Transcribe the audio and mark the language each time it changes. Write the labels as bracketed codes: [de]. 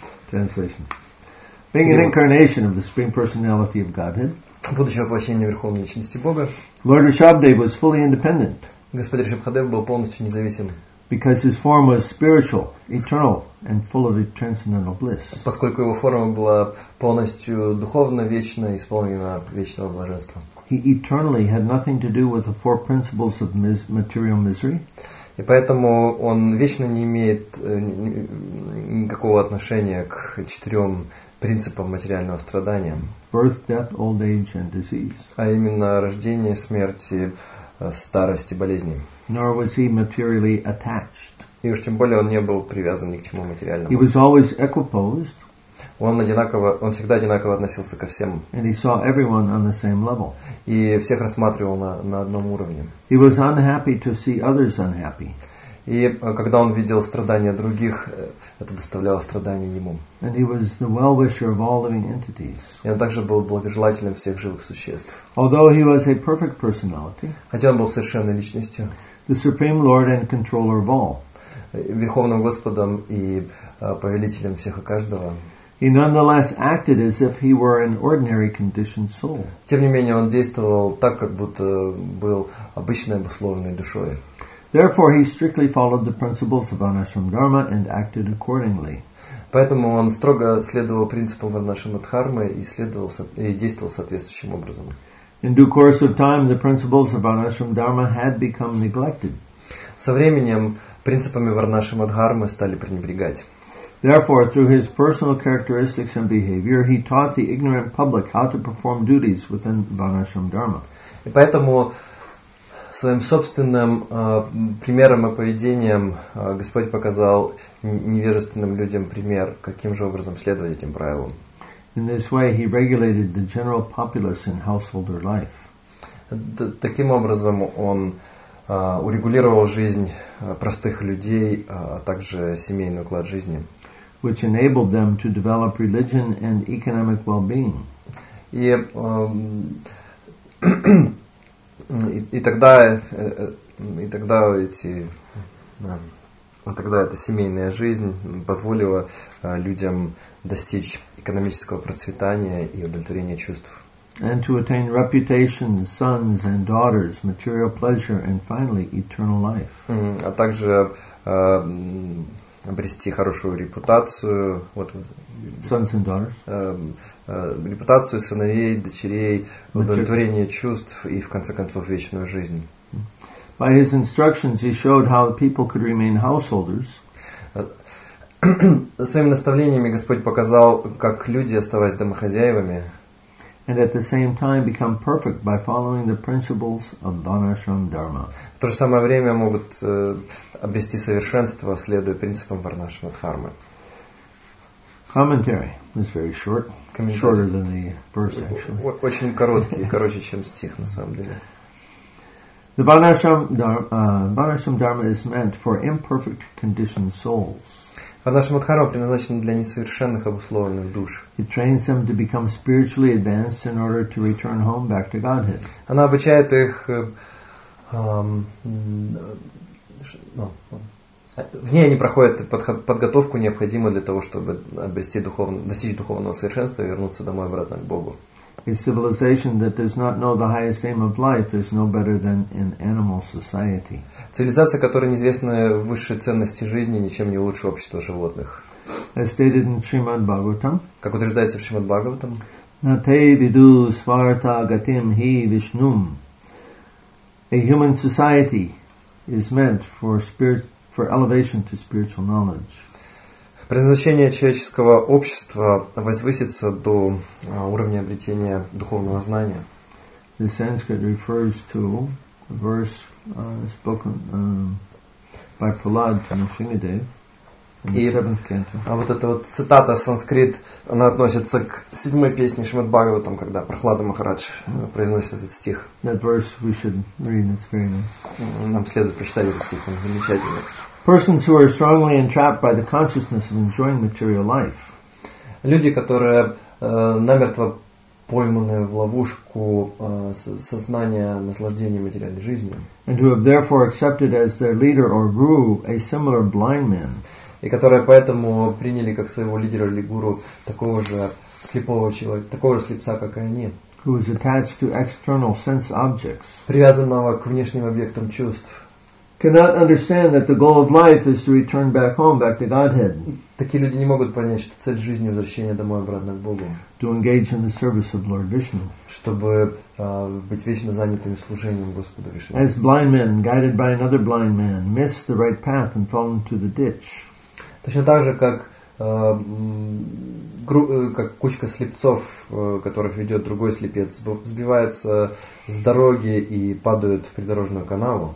[en] Translation. Being an incarnation of the Supreme Personality of Godhead, [ru] будучи воплощением Верховной Личности Бога, [en] Lord Rishabhdev was fully independent. [ru] Господь Ришабхадев был полностью независим. [en] Because his form was spiritual, eternal, and full of transcendental bliss. [ru] Поскольку его форма была полностью духовна, вечна, исполнена вечного блаженства. [en] He eternally had nothing to do with the four principles of material misery. [ru] И поэтому он вечно не имеет никакого отношения к четырем принципам материального страдания. [en] Birth, death, old age and disease. [ru] А именно рождение, смерть, старость и болезни. [en] Nor was he materially attached. [ru] И уж тем более он не был привязан ни к чему материальному. [en] He was always equipoised. [ru] Он всегда одинаково относился ко всем. [en] And he saw everyone on the same level. [ru] И всех рассматривал на одном уровне. [en] He was unhappy to see others unhappy. [ru] И когда он видел страдания других, это доставляло страдания ему. [en] And he was the well-wisher of all living entities. [ru] И он также был благожелателем всех живых существ. [en] Although he was a perfect personality, [ru] хотя он был совершенной личностью, [en] the Supreme Lord and Controller of all, [ru] Верховным Господом и повелителем всех и каждого, [en] he nonetheless acted as if he were an ordinary conditioned soul. [ru] Тем не менее, он действовал так, как будто был обычной обусловленной душой. [en] Therefore, he strictly followed the principles of Anashram Dharma and acted accordingly. [ru] Поэтому он строго следовал принципам Анашрама Дхармы и действовал соответствующим образом. [en] In due course of time, the principles of Anashram Dharma had become neglected. [ru] Со временем принципами Варнашрама Дхармы стали пренебрегать. [en] Therefore, through his personal characteristics and behavior, he taught the ignorant public how to perform duties within Vanashram Dharma. [ru] И поэтому своим собственным примером и поведением Господь показал невежественным людям пример, каким же образом следовать этим правилам. [en] In this way, he regulated the general populace in householder life. [ru] Таким образом, он урегулировал жизнь простых людей, а также семейный уклад жизни. [en] Which enabled them to develop religion and economic well-being. [ru] И тогда И тогда эти, да, а тогда эта семейная жизнь позволила людям достичь экономического процветания и удовлетворения чувств. [en] And to attain reputation, sons and daughters, material pleasure, and finally eternal life. [ru] А также обрести хорошую репутацию. Вот, [en] sons and daughters. [ru] Репутацию сыновей, дочерей, удовлетворение чувств и в конце концов вечную жизнь. [en] By his instructions, he showed how people could remain householders. [ru] Своими наставлениями Господь показал, как люди, оставаясь домохозяевами, [en] and at the same time become perfect by following the principles of Varnashram Dharma. [ru] В то же самое время могут обрести совершенство, следуя принципам Варнашрама Дхармы. [en] Commentary is very short, shorter than the verse actually. [ru] Очень короткий, короче, чем стих на самом деле. [en] The Varnashram Dharma, Varnashram Dharma is meant for imperfect conditioned souls. [ru] Varnashram Dharma предназначен для несовершенных обусловленных душ. [en] It trains them to become spiritually advanced in order to return home back to Godhead. [ru] Она обучает их в ней они проходят подготовку, необходимую для того, чтобы обрести достичь духовного совершенства и вернуться домой обратно к Богу. [en] A civilization that does not know the highest aim of life is no better than an animal society. [ru] Цивилизация, которая неизвестна высшей ценности жизни, ничем не лучше общества животных. [en] As stated in Srimad Bhagavatam. [ru] Как утверждается в Шримад Бхагаватам. [sa] На те виду сварта гатим хи вишнум. [en] A human society is meant for elevation to spiritual knowledge. [ru] Предназначение человеческого общества возвыситься до уровня обретения духовного знания. [en] The Sanskrit refers to a verse spoken by Prahlad to Nrisimhadeva in the 7th canto. [ru] А вот эта вот цитата санскрит, она относится к 7-й песне Шримад Бхагаватам, когда Прахлада Махарадж произносит этот стих. [en] That verse we should read, it's very nice. [ru] Нам следует прочитать этот стих, он замечательный. [en] Persons who are strongly entrapped by the consciousness of enjoying material life. [ru] Люди, которые намертво пойманы в ловушку сознания наслаждения материальной жизнью. [en] And who have therefore accepted as their leader or guru a similar blind man. [ru] И которые поэтому приняли как своего лидера или гуру такого же слепого человека, такого же слепца, как и они. [en] Who is attached to external sense objects. [ru] Привязанного к внешним объектам чувств. [en] Cannot understand that the goal of life is to return back home, back to Godhead. [ru] Такие люди не могут понять, что цель жизни возвращение домой обратно к Богу. [en] To engage in the service of Lord Vishnu. [ru] Чтобы быть вечно занятыми служением Господу Вишну. [en] As blind men, guided by another blind man, miss the right path and fall into the ditch. [ru] Точно так же, как кучка слепцов, которых ведет другой слепец, сбиваются с дороги и падают в придорожную канаву.